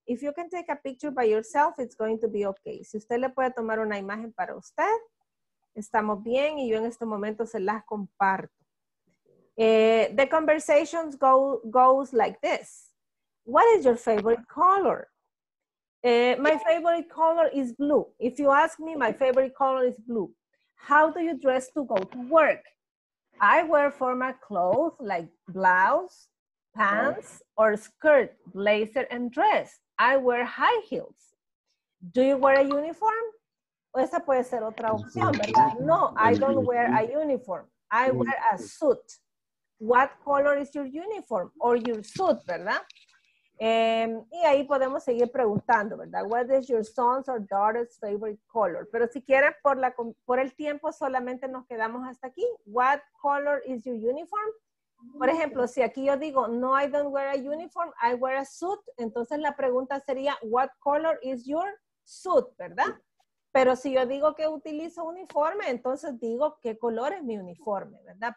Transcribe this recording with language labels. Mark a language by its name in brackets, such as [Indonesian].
[English] If you can take a picture by yourself, it's going to be okay. [Spanish] Si usted le puede tomar una imagen para usted, estamos bien y yo en este momento se las comparto. [English] The conversation goes like this. What is your favorite color? My favorite color is blue. If you ask me, my favorite color is blue. How do you dress to go to work? I wear formal clothes like blouse, pants, or skirt, blazer, and dress. I wear high heels. Do you wear a uniform? [Spanish] Esa puede ser otra opción, ¿verdad? [English] No, I don't wear a uniform. I wear a suit. What color is your uniform or your suit, ¿verdad? [Spanish] Y ahí podemos seguir preguntando, ¿verdad? [English] What is your son's or daughter's favorite color? [Spanish] Pero si quieres, por el tiempo solamente nos quedamos hasta aquí. [English] What color is your uniform? [Spanish] Por ejemplo, si aquí yo digo, [English] no, I don't wear a uniform, I wear a suit. [Spanish] Entonces la pregunta sería, [English] what color is your suit, [Spanish] ¿verdad? Pero si yo digo que utilizo uniforme, entonces digo, ¿qué color es mi uniforme, verdad?